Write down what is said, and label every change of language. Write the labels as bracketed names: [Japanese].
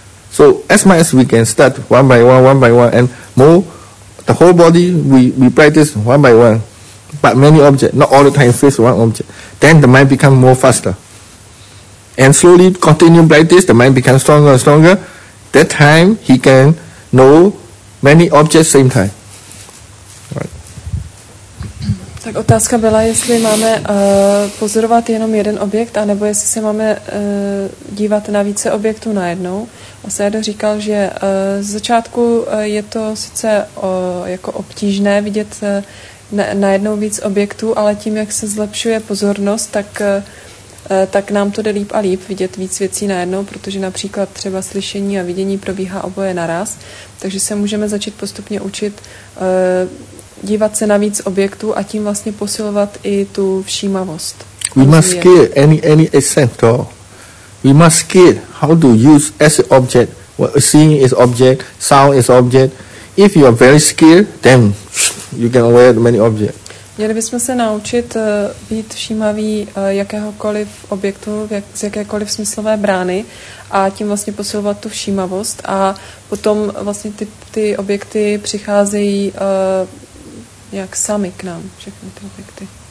[English] So as much as we can start one by one, and more, the whole body, we practice one by one, but many objects, not all the time, face one object. Then the mind becomes more faster. And slowly continue practice, the mind becomes stronger and stronger. That time, he can know many objects same time. Right. [Czech] Tak otázka byla, jestli máme pozorovat jenom jeden objekt, anebo jestli se máme dívat na více objektů najednou. A Sajdo říkal, že z začátku je to sice jako obtížné vidět najednou víc objektů, ale tím, jak se zlepšuje pozornost, tak nám to jde líp a líp vidět víc věcí najednou, protože například třeba slyšení a vidění probíhá oboje naraz, takže se můžeme začít postupně učit dívat se na víc objektů a tím vlastně posilovat i tu všímavost. [English] We must skill any accent. We must skill how to use as an object. Seeing is object, sound is object. If you are very skilled, then you can wear many objects. [Czech] Měli bychom se naučit být všímaví jakéhokoliv objektu, z jakékoliv smyslové brány a tím vlastně posilovat tu všímavost a potom vlastně ty objekty přicházejí jak sami k nám, všechny ty objekty.